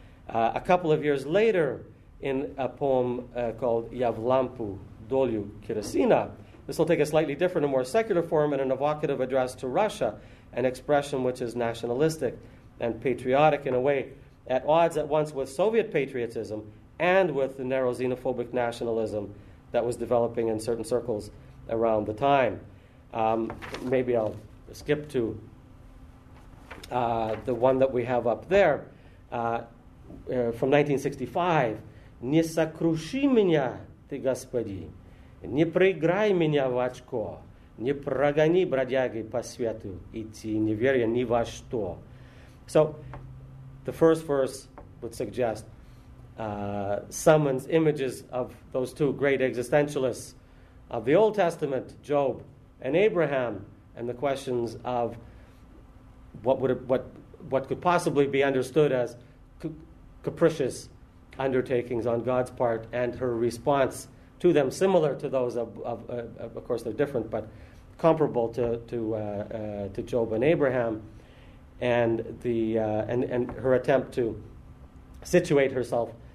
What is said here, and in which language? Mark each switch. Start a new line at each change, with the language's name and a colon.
English: A couple of years later, in a poem called Yavlampu Dolyu Kirasina, this will take a slightly different and more secular form in an evocative address to Russia, an expression which is nationalistic and patriotic in a way at odds at once with Soviet patriotism and with the narrow xenophobic nationalism that was developing in certain circles around the time. Maybe I'll skip to the one that we have up there from 1965.
Russian: Не сокруши меня, ты господи, не проиграй меня в очко, не прогони бродяги по свету идти, не веря ни во что.
English: So, the first verse would suggest summons images of those two great existentialists of the Old Testament, Job and Abraham, and the questions of what could possibly be understood as capricious undertakings on God's part, and her response to them, similar to those of course they're different, but comparable to Job and Abraham, and the her attempt to situate herself.